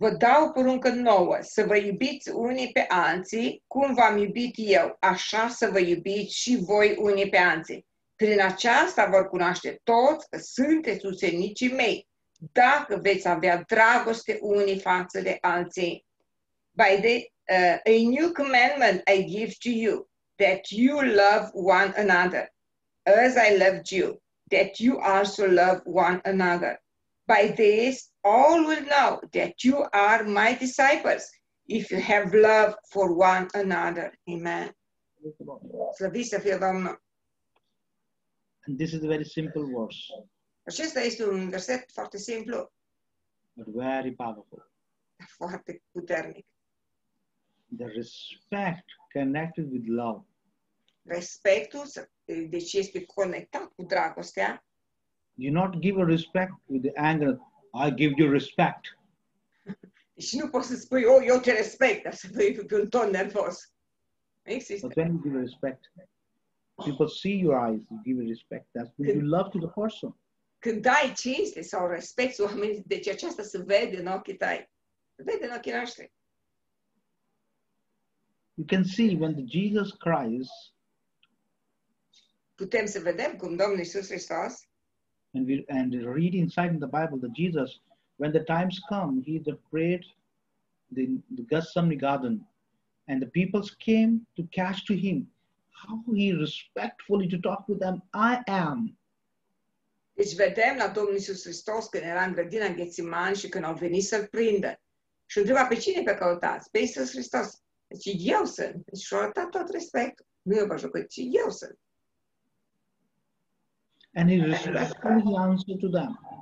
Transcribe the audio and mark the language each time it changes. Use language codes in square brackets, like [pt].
[ro] Vă dau poruncă nouă, să vă iubiți unii pe alții, cum v-am iubit eu, așa să vă iubiți și voi unii pe alții. Prin aceasta vor cunoaște toți că sunteți ucenicii mei, dacă veți avea dragoste unii față de alții. [en] By the a new commandment I give to you, that you love one another, as I loved you, that you also love one another. By this, all will know that you are my disciples, if you have love for one another. [ro] Amen. Slăviți să fie Domnul. [en] And this is a very simple verse. [ro] Acesta este un verset foarte simplu. [en] But very powerful. [ro] Foarte puternic. [en] The respect connected with love. [ro] Respectul, deci este conectat cu dragostea. [en] You not give a respect with the anger. I give you respect. [ro] Și nu poți să spui, oh, eu te respect, dar să fii pe un ton nervos. [en] But when you give respect, people see your eyes, you give respect. That's when you love to the person. [ro] Când ai cinste sau respect, oamenii, deci aceasta se vede în ochii tăi. Se vede în ochii noștri. [en] You can see when the Jesus Christ, [ro] putem să vedem cum Domnul Iisus Hristos, [en] and read inside in the Bible that Jesus, when the times come, he prayed the Gethsemane garden, and the people came to cast to him. How he respectfully to talk with them, I am. [ro] Deci vedem la Domnul Iisus Hristos când era în grădina Ghețiman și când au venit să-l prindă. Și întreba pe cine pe căutați? Pe Iisus Hristos. Deci eu sunt. Deci și-a arătat tot respectul. Nu eu vă jucă, ci eu sunt. [en] And he respectfully answered to them.